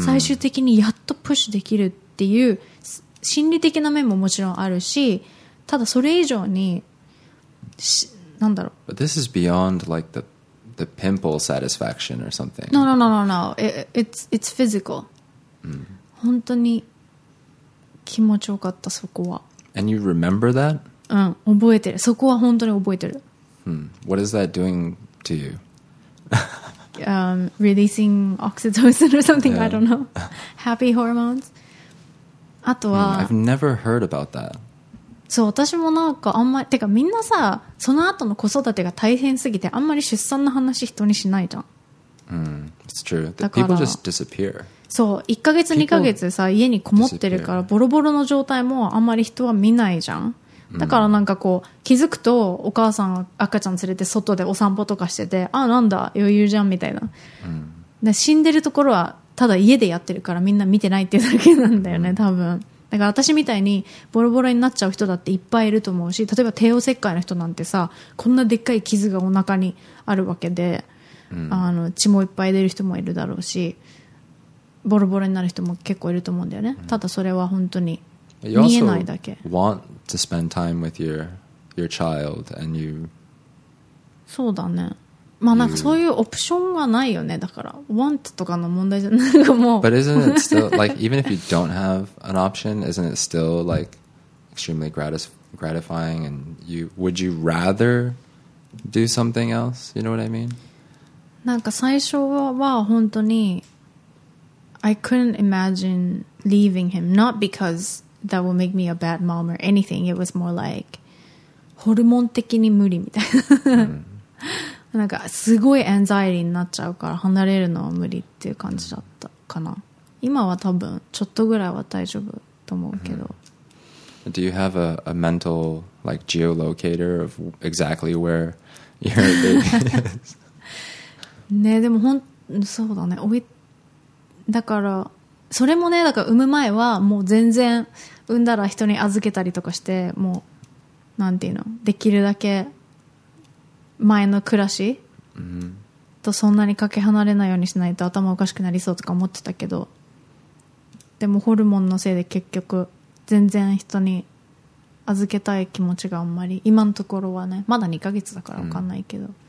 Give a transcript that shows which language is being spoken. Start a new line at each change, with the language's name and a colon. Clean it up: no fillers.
Japanese: 最終的にやっとプッシュできるっていう心理的な面ももちろんあるしただそれ以上に何だろう
English: But this is beyond like the pimple satisfaction or something No. It's physical、 mm.
Japanese: 本当に気持ちよかったそこは
English: And you remember that?
Japanese: うん、覚えてる。そこは本当に覚えてる。
English: What is that doing to you? releasing oxytocin or something, yeah. I don't know. Happy hormones.
Japanese: あとは、
English: I've never heard about that.
Japanese: そう、私もなんかあんまり、てかみんなさ、その後の子育てが大変すぎて、あんまり出産の話人にしないじゃん。
English: It's true. だから、People just disappear.
Japanese: そう1ヶ月2ヶ月さ家にこもってるからボロボロの状態もあんまり人は見ないじゃんだからなんかこう気づくとお母さん赤ちゃん連れて外でお散歩とかしててあなんだ余裕じゃんみたいな、うん、で死んでるところはただ家でやってるからみんな見てないっていうだけなんだよね、うん、多分だから私みたいにボロボロになっちゃう人だっていっぱいいると思うし例えば帝王切開の人なんてさこんなでっかい傷がお腹にあるわけで、うん、あの血もいっぱい出る人もいるだろうしボロボロになる人も結構いると思うんだよね。ただそれは本当に見えないだけ。
English: You also want to spend time with your child and you.
Japanese: そうだね。まあなんかそういうオプションはないよね。だから want とかの問題じゃなくもう。
English: But isn't it still like even if you don't have an option, isn't it still like extremely gratifying? And you would you rather do something else? You know what I mean?
Japanese: なんか最初は本当に。
English: I couldn't imagine leaving him, not because that would make me a bad mom or anything. It was more like,
Japanese: ホルモン的に無理みたいな。なんか、すごいアンザイティになっちゃうから、離れるのは無理っていう感じだったかな。今は多分、ちょっとぐらいは大丈夫と思うけど。
English: Do you have a mental, like, geolocator of exactly where your baby is?
Japanese: ね、でも、そうだね。だからそれもねだから産む前はもう全然産んだら人に預けたりとかしてもうなんていうのできるだけ前の暮らしとそんなにかけ離れないようにしないと頭おかしくなりそうとか思ってたけどでもホルモンのせいで結局全然人に預けたい気持ちがあんまり今のところはねまだ2ヶ月だから分かんないけど、